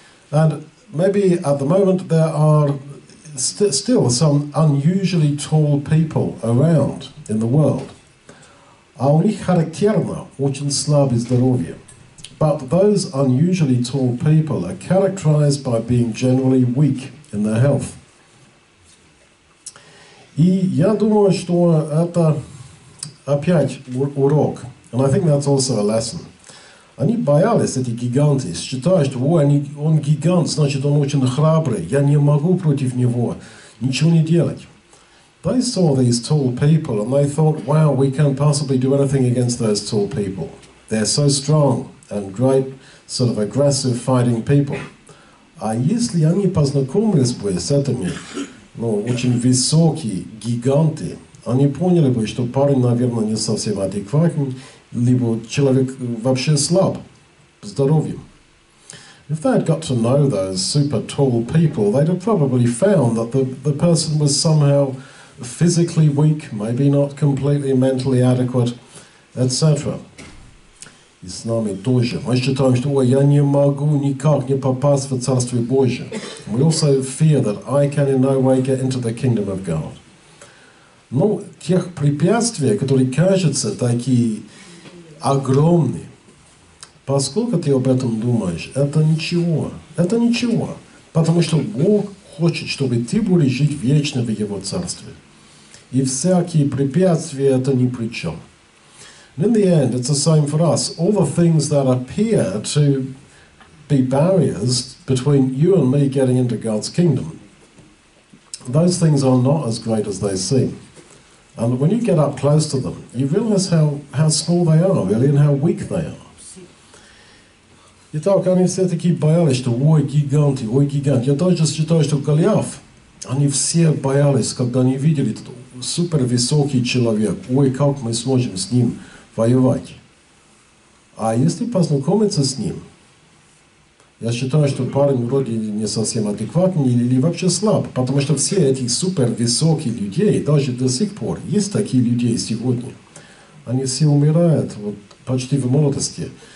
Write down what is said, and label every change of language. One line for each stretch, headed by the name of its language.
English: And maybe at the moment there are still some unusually tall people around in the world.
Russian: А у них характерно очень слабое здоровье.
English: But those unusually tall people are characterized by being generally weak in their health.
Russian: И я думаю, что это опять урок.
English: And I think that's also a lesson.
Russian: Они боялись, эти гиганты, считая, что он гигант, значит, он очень храбрый, я не могу против него ничего не делать.
English: They saw these tall people and they thought, wow, we can't possibly do anything against those tall people. They're so strong and great, sort of aggressive fighting people.
Russian: А если они познакомились бы с этими, ну, очень высокие гиганты, они поняли бы, что парень, наверное, не совсем адекватен, либо человек вообще слаб здоровьем.
English: If they had got to know those super tall people, they'd have probably found that the person was somehow physically weak, maybe not completely mentally adequate, etc.
Russian: И с нами тоже. Мы считаем, что я не могу никак не попасть в Царствие Божие.
English: We also fear that I can in no way get into the kingdom of God.
Russian: ну, тех препятствий, которые кажутся такие огромные. Поскольку ты об этом думаешь, это ничего. Это ничего. Потому что Бог хочет, чтобы ты был жить вечно в Его Царстве. И всякие препятствия это ни при чем.
English: In the end, it's the same for us. All the things that appear to be barriers between you and me getting into God's kingdom, those things are not as great as they seem. And when you get up close to them, you realize how small they are, really, and how weak they are.
Russian: Итак, они все-таки боялись, что ой, гиганты, ой, гиганты. Я тоже считаю, что Голиаф, они все боялись, когда они видели этот супервысокий человек. Ой, как мы сможем с ним воевать. А если познакомиться с ним, я считаю, что парень вроде не совсем адекватный или вообще слаб, потому что все эти супервысокие людей, даже до сих пор, есть такие люди сегодня, они все умирают вот, почти в молодости.